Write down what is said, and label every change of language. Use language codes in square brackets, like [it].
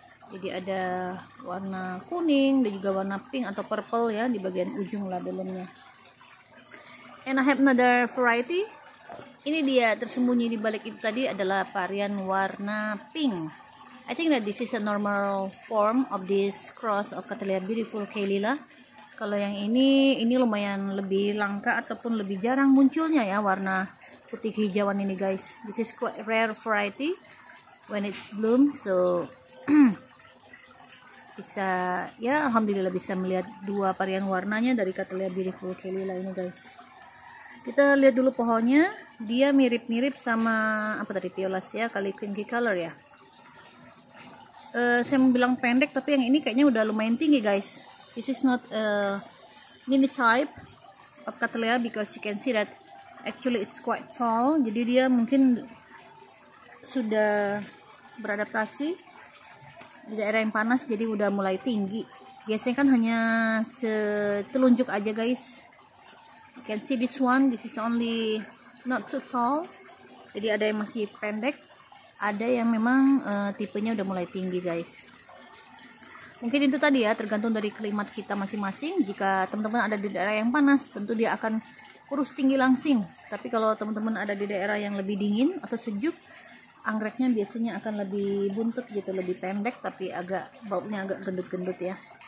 [id] Jadi ada warna kuning dan juga warna pink atau purple ya di bagian ujung labellumnya. [en] And I have another variety. [id] Ini dia, tersembunyi di balik itu tadi adalah varian warna pink. [en] I think that this is a normal form of this cross of Katalea Beautiful Kaylila. [id] Kalau yang ini lumayan lebih langka ataupun lebih jarang munculnya ya warna putih hijauan ini guys. [en] This is quite rare variety when it's bloom, so [id] bisa ya alhamdulillah bisa melihat dua varian warnanya dari Katalea Beautiful Kaylila ini guys. Kita lihat dulu pohonnya, dia mirip-mirip sama apa tadi, violacea kali pinky color ya. Saya mau bilang pendek, tapi yang ini kayaknya udah lumayan tinggi guys. [en] This is not a mini type of Katalea because you can see that actually it's quite tall. [id] Jadi dia mungkin sudah beradaptasi di daerah yang panas, jadi udah mulai tinggi. Biasanya kan hanya setelunjuk aja guys. [en] You can see this one, this is only not too tall. [id] Jadi ada yang masih pendek, ada yang memang tipenya udah mulai tinggi guys. Mungkin itu tadi ya, tergantung dari klimat kita masing-masing. Jika teman-teman ada di daerah yang panas, tentu dia akan kurus tinggi langsing. Tapi kalau teman-teman ada di daerah yang lebih dingin atau sejuk, anggreknya biasanya akan lebih buntut gitu, lebih pendek, tapi agak baunya agak gendut-gendut ya.